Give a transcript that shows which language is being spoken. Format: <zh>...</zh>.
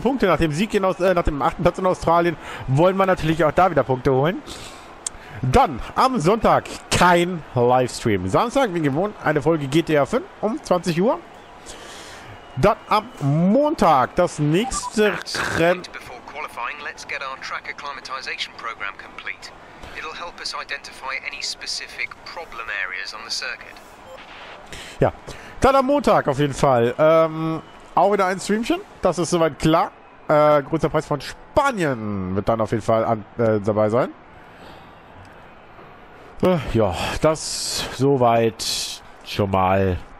<de>Nach dem Sieg, nach dem 8. Platz in Australien, wollen wir natürlich auch da wieder Punkte holen. Dann am Sonntag kein Livestream. Samstag, wie gewohnt, eine Folge GTA 5 um 20 Uhr. Dann am Montag das nächste Rennen.</de> <en>Let's get our track acclimatization program complete. It'll help us identify any specific problem areas on the circuit.</en> <de>Ja, dann am Montag auf jeden Fall. Auch wieder ein Streamchen, das ist soweit klar. Großer Preis von Spanien wird dann auf jeden Fall dabei sein. Ja, das soweit schon mal.</de>